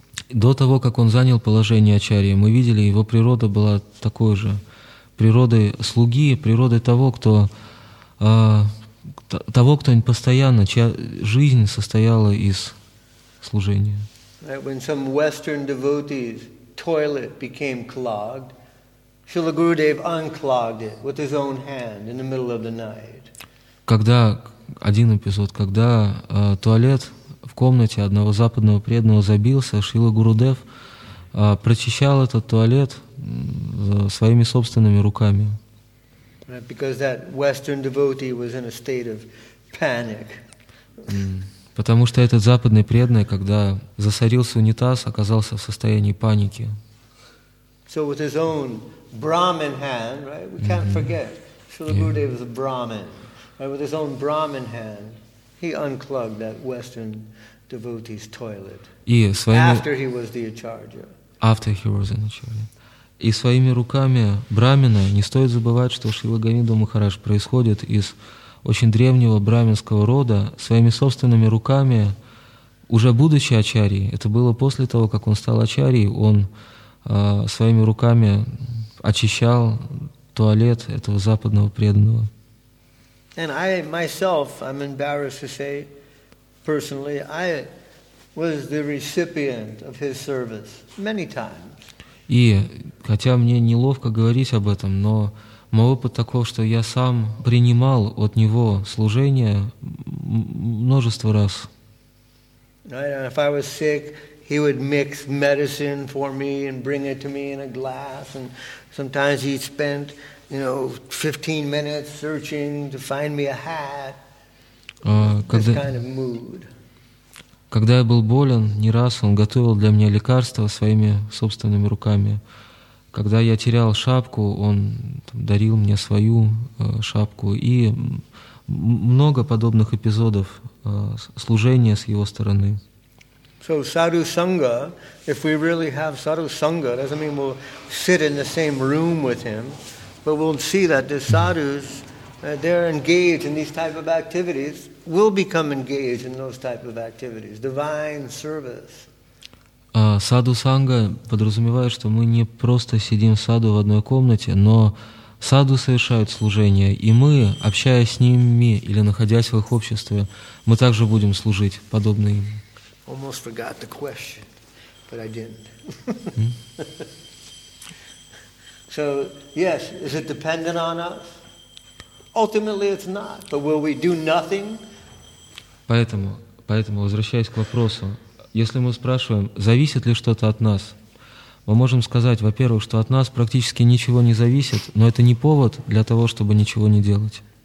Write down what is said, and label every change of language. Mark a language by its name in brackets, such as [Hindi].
[Russian] До того, как он занял положение ачарьи, мы видели, его природа была такой же. Природы слуги, природы того, кто, того, кто постоянно, чья жизнь состояла из служения. [English] When some Western devotee's toilet became clogged, Srila Gurudev unclogged it with his own hand in the middle of the night. [Russian] Когда один эпизод, когда туалет в комнате одного западного преданного забился, Шрила Гурудев прочищал этот туалет своими собственными руками. [English] Because that Western devotee was in a state of panic. [Russian] Потому что этот западный преданный, когда засорился унитаз, оказался в состоянии паники. [English] So with his own Brahmin hand, right? We can't forget, Srila Gurudev was a Brahmin. Right? With his own Brahmin hand, he unclogged that Western devotee's toilet. After he was the acharya. After he was an acharya. [Russian] И своими руками брамина, не стоит забывать, что Шрила Говинда Махарадж происходит из очень древнего брахминского рода, своими собственными руками, уже будучи ачарьей, это было после того, как он стал ачарьей, он своими руками очищал туалет этого западного преданного. [English] And I myself, I'm embarrassed to say, personally, I was the recipient of his service many times. [Russian] И хотя мне неловко говорить об этом, но мой опыт таков, что я сам принимал от него служение множество раз. [English] If I was sick, he would mix medicine for me and bring it to me in a glass. And sometimes he'd spend, you know, 15 minutes searching to find me a hat. This kind of mood. [Russian] Когда я был болен, не раз он готовил для меня лекарства своими собственными руками. Когда я терял шапку, он там, дарил мне свою шапку. И много подобных эпизодов служения с его стороны. [English] So sadhu sangha, if we really have sadhu sangha, doesn't mean we'll sit in the same room with him, but we'll see that the sadhus, they're engaged in these type of activities. Will become engaged in those type of activities, divine service. [Russian] Саду санга подразумевает, что мы не просто сидим в саду в одной комнате, но саду совершают служение, и мы, общаясь с ними или находясь в их обществе, мы также будем служить подобно им. [English] Almost forgot the question, but I didn't. So yes, is it dependent on us? Ultimately, it's not. But will we do nothing? [Russian] Поэтому, возвращаясь к вопросу, если мы спрашиваем, зависит ли что-то от нас, мы можем сказать, во-первых, что от нас практически ничего не зависит, но это не повод для того, чтобы ничего не делать.